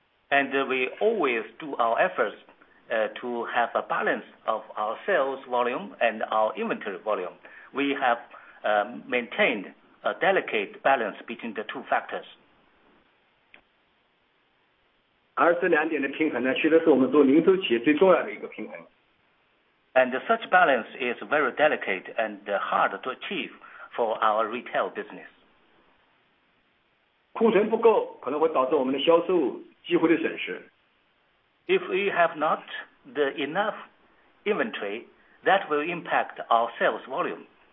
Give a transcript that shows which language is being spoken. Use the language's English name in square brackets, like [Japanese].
[English] And we always do our efforts to have a balance of our sales volume and our inventory volume. We have maintained a delicate balance between the two factors. [Chinese] 而这两点的平衡呢，其实是我们做零售企业最重要的一个平衡。 [English] And such balance is very delicate and hard to achieve for our retail business. [Chinese] 库存不够，可能会导致我们的销售机会的损失。 [English] If we have not the enough inventory, that will impact our sales volume.